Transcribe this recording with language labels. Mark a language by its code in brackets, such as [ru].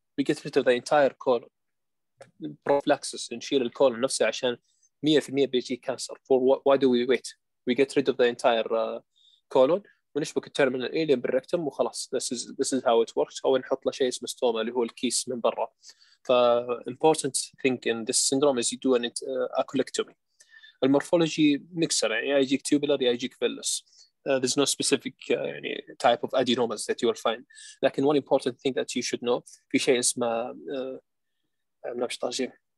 [en] We get rid of the entire colon. Prophylaxis, [ar] نشيل الكولون نفسه عشان 100% بيجي كانسر. [en] For why do we wait? We get rid of the entire colon, [ar] ونشبك الترمينال ايليوم بالريكتم وخلاص. [en] This is how it works. [ar] أو نحط له شيء اسمه ستوما اللي هو الكيس من برا. [en] The important thing in this syndrome is you do an colectomy. [ar] المورفولوجي ميكسر يعني يجيك تيوبولر يجيك فيلوس [en] there's no specific يعني type of adenomas that you will find [ar] لكن [en] one important thing that you should know [ar] في شيء اسمه نبش ترجم